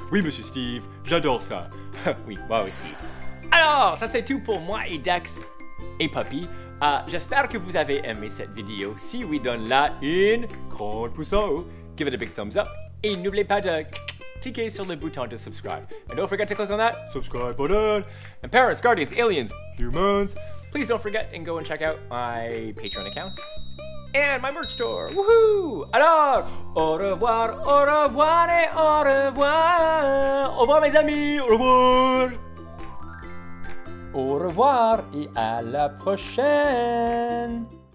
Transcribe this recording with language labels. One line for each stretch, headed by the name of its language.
French: Oui, Monsieur Steve, j'adore ça. Oui, moi aussi. Alors, ça c'est tout pour moi et Dax et Poppy. J'espère que vous avez aimé cette vidéo. Si oui, donne-la une grande pouce en haut.
English: Give it a big thumbs up.
French: Et n'oubliez pas de cliquer sur le bouton de subscribe.
English: And don't forget to click on that subscribe button. And parents, guardians, aliens, humans, please don't forget and go and check out my Patreon account and my merch store. Woohoo!
French: Alors, au revoir et au revoir. Au revoir, mes amis. Au revoir. Au revoir et à la prochaine!